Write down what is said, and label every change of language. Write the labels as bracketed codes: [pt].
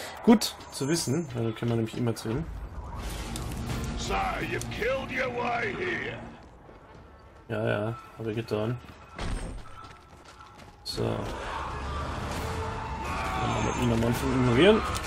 [de] Gut zu wissen, weil da können wir nämlich immer zu ihm. [en] Sir, you've killed your way here. [de] Ja, ja, habe ich getan. So. Dann machen wir ihn am Anfang ignorieren.